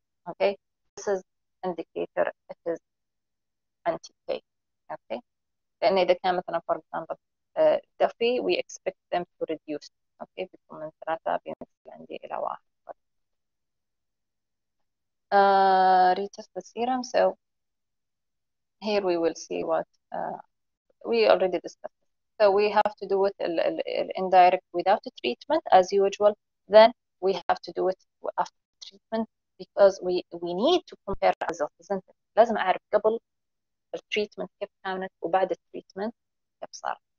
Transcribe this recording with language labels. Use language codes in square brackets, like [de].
[en] Okay. This is indicator it is anti-K. Okay. [ar] لأن إذا كان مثلا [en] for example Duffy, we expect them to reduce. [ar] Okay, بيكون من ثلاثة بينزل عندي إلى واحد. [en] Retest the serum. So here we will see what we already discussed. So we have to do it indirect without a treatment as usual. Then we have to do it after treatment because we need to compare results, isn't it? [ar] لازم أعرف قبل التريتمنت كيف كانت وبعد التريتمنت كيف صار.